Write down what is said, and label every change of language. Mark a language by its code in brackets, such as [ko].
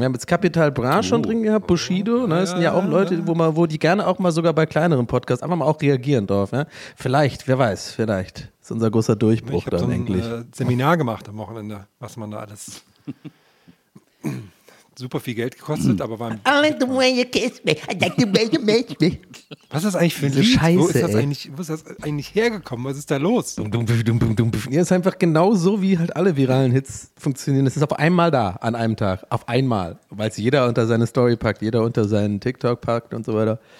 [de] Wir haben jetzt Capital Bra schon drin gehabt, Bushido, ne? Das sind ja auch Leute, wo die gerne auch mal sogar bei kleineren Podcasts einfach mal auch reagieren drauf. Ne? Vielleicht, wer weiß, vielleicht ist unser großer Durchbruch dann endlich. Ich habe so ein Seminar gemacht am Wochenende, was man da alles super viel Geld gekostet, aber war... [en] I like the way you kiss me, I like the way you make me. [de] Was ist das eigentlich für ein Lied? Scheiße, wo ist das eigentlich hergekommen? Was ist da los? Ja, ist einfach genau so, wie halt alle viralen Hits funktionieren. Es ist auf einmal da, an einem Tag. Auf einmal. Weil es jeder unter seine Story packt, jeder unter seinen TikTok packt und so weiter.